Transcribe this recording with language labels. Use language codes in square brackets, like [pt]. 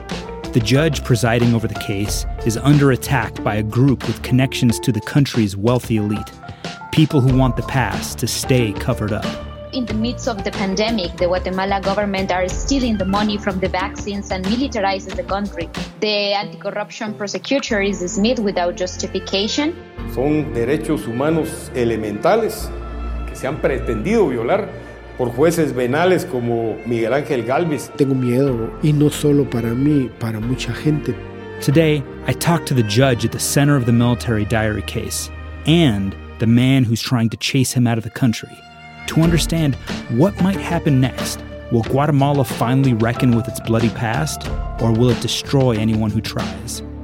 [en] The judge presiding over the case is under attack by a group with connections to the country's wealthy elite, people who want the past to stay covered up. In the midst of the pandemic, the Guatemala government are stealing the money from the vaccines and militarizing the country. The anti-corruption prosecutor is dismissed without justification. [es] Son derechos humanos elementales que se han pretendido violar por jueces venales como Miguel Ángel Gálvez. Tengo miedo, y no solo para mí, para mucha gente. [en] Today, I talked to the judge at the center of the military diary case and the man who's trying to chase him out of the country. To understand what might happen next, will Guatemala finally reckon with its bloody past, or will it destroy anyone who tries?